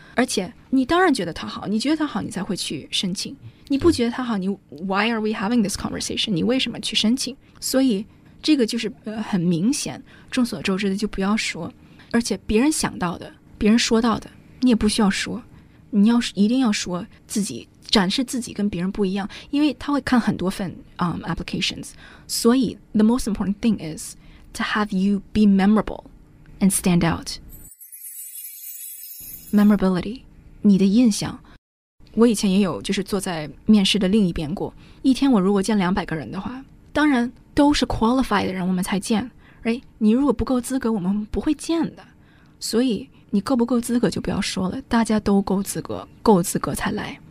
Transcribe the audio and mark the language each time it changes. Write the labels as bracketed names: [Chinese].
[Chinese] 而且你当然觉得他好，你觉得他好你才会去申请，你不觉得他好你 [English] Why are we having this conversation， [Chinese] 你为什么去申请。所以这个就是很明显众所周知的就不要说。而且别人想到的别人说到的你也不需要说，你要一定要说自己，展示自己跟别人不一样。因为他会看很多份applications， 所以 [English] the most important thing is to have you be memorable and stand out. [Chinese] Memorability， 你的印象。我以前也有就是坐在面试的另一边过，一天我如果见200个人的话，当然都是 qualified 的人我们才见，你如果不够资格我们不会见的。所以你够不够资格就不要说了，大家都够资格，够资格才来。